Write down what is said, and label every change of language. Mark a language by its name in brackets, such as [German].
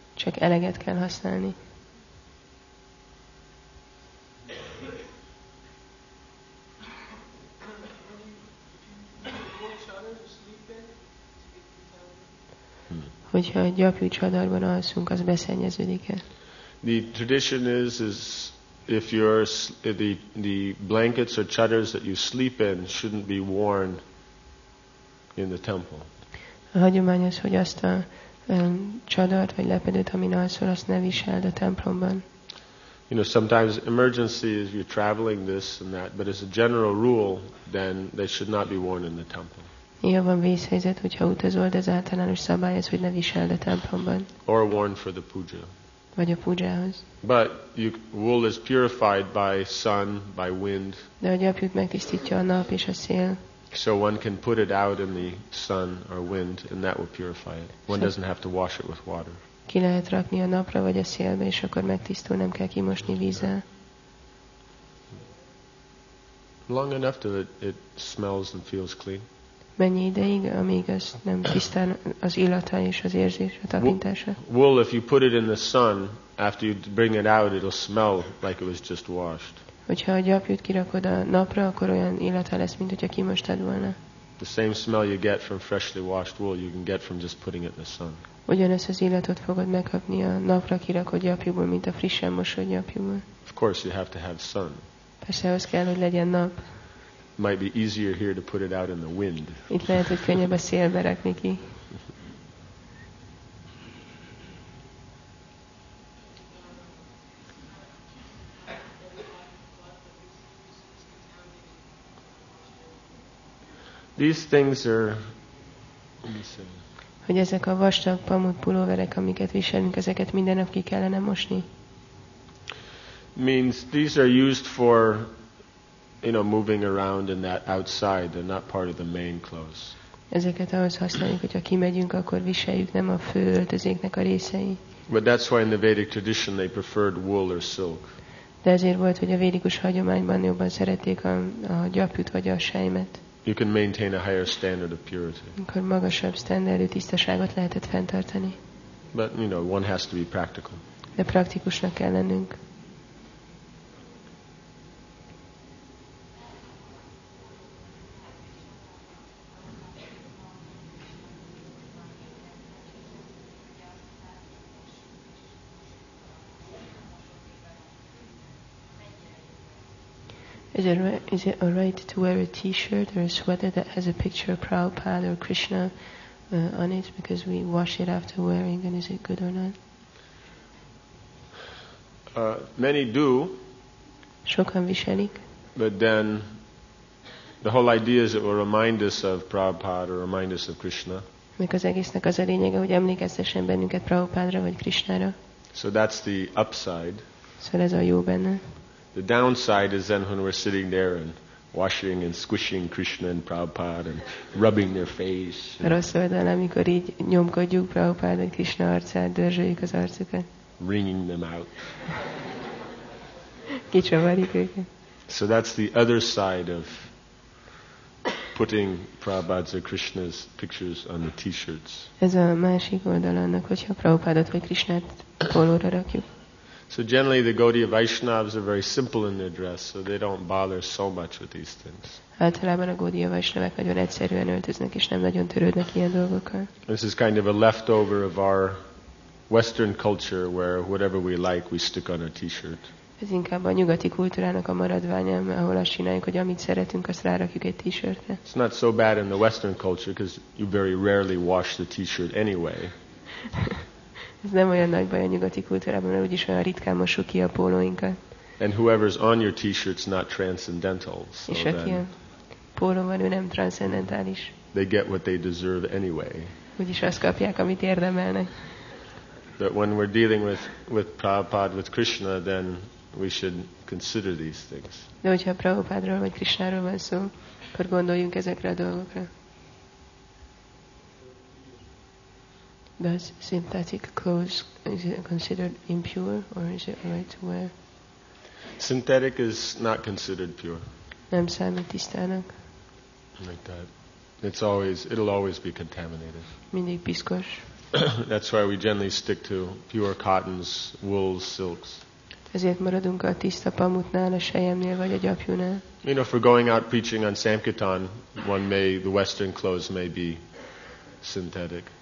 [Hungarian] Csak eleget kell használni. Hogyha gyapjú csadarban alszunk, az beszennyeződik-e? [English] The tradition is if the blankets or chadars that you sleep in shouldn't be worn in the temple. [Hungarian] A hagyomány az, hogy azt a csadart vagy lepedőt, amin alszol, azt ne viseld a templomban. [English] You know, sometimes emergencies, you're traveling, this and that, but as a general rule, then they should not be worn in the temple. [Hungarian] Jó van vészhelyzet, hogyha utazol, de az általános szabály az, hogy ne visel a templomban. [English] Or worn for the puja. [Hungarian] Vagy a pujához. [English] But wool is purified by sun, by wind. [Hungarian] De a gyapjút megtisztítja a nap és a szél. [English] So one can put it out in the sun or wind, and that will purify it. One doesn't have to wash it with water. [Hungarian] Ki lehet rakni a napra vagy a szélbe, és akkor megtisztul, nem kell kimosni vízzel. [English] Long enough till it smells and feels clean. [Hungarian] Mennyi ideig, amíg az nem tisztán az illata és az érzése, a tapintása? [English] Well, if you put it in the sun, after you bring it out, it'll smell like it was just washed. [Hungarian] Hogyha a gyapjút kirakod a napra, akkor olyan illata lesz, mint hogyha kimostad volna. [English] The same smell you get from freshly washed wool, you can get from just putting it in the sun. [Hungarian] Ugyanezt az illatot fogod megkapni a napra kirakod gyapjúból, mint a frissen mosott gyapjúból. [English] Of course you have to have sun. [Hungarian] Persze, ahhoz kell, hogy legyen nap. [English] It might be easier here to put it out in the wind. [Hungarian] Itt lehet, hogy könnyebb a szélbe rakni ki. [English] These things are, let me see. [Hungarian] Hogy ezek a vastag pamut pulóverek, amiket viselünk, ezeket minden nap ki kellene mosni. [English] Means these are used for, you know, moving around in that outside. They're not part of the main clothes. [Hungarian] Ezeket ahhoz használjuk, hogyha kimegyünk, akkor viseljük, nem a fő öltözéknek a részei. [English] But that's why in the Vedic tradition they preferred wool or silk. [Hungarian] De ezért volt, hogy a védikus hagyományban jobban szerették a gyapjút vagy a sejmet. [English] You can maintain a higher standard of purity. [Hungarian] Akkor magasabb standardű tisztaságot lehetett fenntartani. [English] But you know, one has to be practical. [Hungarian] De praktikusnak kell lennünk. [English] Is it all right to wear a t-shirt or a sweater that has a picture of Prabhupada or Krishna on it because we wash it after wearing, and is it good or not? Many do. [Hungarian] Sokan viselik. [English] But then the whole idea is it will remind us of Prabhupada or remind us of Krishna. [Hungarian] Mert az egésznek az a lényege, hogy emlékeztessen bennünket Prabhupádra vagy Krishnára. [English] So that's the upside. [Hungarian] Szóval ez a jó benne. [English] The downside is then when we're sitting there and washing and squishing Krishna and Prabhupada and rubbing their face. [Hungarian] Rossz oldal, amikor így nyomkodjuk Prabhupada és Krishna arcát, dörzsöljük az arcukat. [English] Wringing them out. [Hungarian] Kicsavarjuk őket. [English] So that's the other side of putting Prabhupada's or Krishna's pictures on the t-shirts. [Hungarian] Ez a másik oldal annak, hogyha Prabhupádot vagy Krishnát pólóra rakjuk. [English] So generally the Gaudiya Vaishnavas are very simple in their dress, so they don't bother so much with these things. [Hungarian] Általában a Gaudiya Vaishnavák nagyon egyszerűen öltöznek, és nem nagyon törődnek ilyen dolgokkal. [English] This is kind of a leftover of our Western culture, where whatever we like, we stick on a t-shirt. [Hungarian] Ez inkább a nyugati kultúrának a maradványa, ahol azt csináljuk, hogy amit szeretünk, azt rárakjuk egy t-shirtre. [English] It's not so bad in the Western culture, because you very rarely wash the t-shirt anyway. [Hungarian] Ez nem olyan nagy baj a nyugati kultúrában, mert úgyis olyan ritkán mosuk ki a pólóinkat. [English] And whoever's on your t-shirt's not transcendental. So [Hungarian] és aki a pólón van, ő nem transzendentális. [English] They get what they deserve anyway. [Hungarian] Úgyis azt kapják, amit érdemelnek. [English] But when we're dealing with Prabhupada, with Krishna, then we should consider these things. [Hungarian] De hogyha Prabhupádról vagy Krishnáról van szó, akkor gondoljunk ezekre a dolgokra. [English] Does synthetic clothes, is it considered impure, or is it right to wear? Synthetic is not considered pure. [Hungarian] Nem számít tisztának. [English] Like that. It'll always be contaminated. [Hungarian] Mindig piszkos. [English] That's why we generally stick to pure cottons, wools, silks. [Hungarian] Ezért maradunk a tiszta pamutnál, a sejemnél, vagy a gyapjúnál. [English] You know, for going out preaching on Sankirtan, the Western clothes may be synthetic.